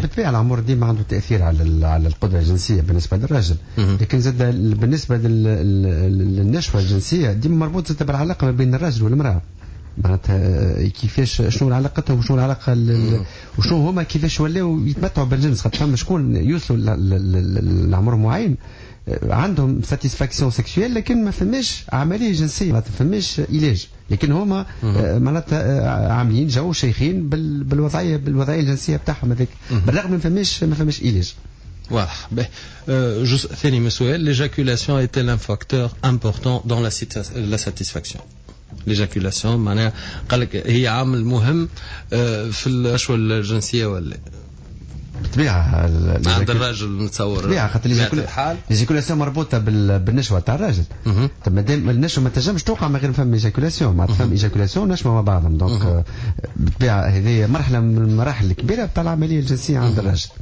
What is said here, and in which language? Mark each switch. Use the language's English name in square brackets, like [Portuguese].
[Arabic] بالطبيعة العمر دي ما عنده تأثير على القدرة الجنسية بالنسبة للرجل لكن زادة بالنسبة للنشوة الجنسية دي مربوط زادة بالعلاقة بين الرجل والمرأة معناتها كيفاش شنو علاقتها وشنو العلاقه وشنو هما كيفاش ولاو يتمتعوا بالجنس خاطر فما شكون يوصلوا لعمر معين عندهم ساتيسفاكسيون سيكسويل لكن ما فماش عمليه جنسيه ما فماش علاج لكن هما معناتها عاملين جو شيخين بالوضعيه الجنسيه بتاعهم هذيك بالرغم ما فماش علاج. [French] Voilà. Ben, juste [Arabic] ثاني مسؤول [French] l'éjaculation est-elle un facteur important dans la satisfaction. [Arabic] L'éjaculation, معناها قالك هي عامل مهم في النشوة الجنسية ولا بطبيعة عند الراجل نتصور بطبيعة خاطر الإيجاكولاسيون مربوطة بالنشوة تاع الراجل طب مادام النشوة ما تنجمش توقع من غير فم إيجاكولاسيون معناتها فم إيجاكولاسيون ونشوة مع بعضهم دونك بطبيعة هذه مرحلة من المراحل الكبيرة تاع العملية الجنسية عند الراجل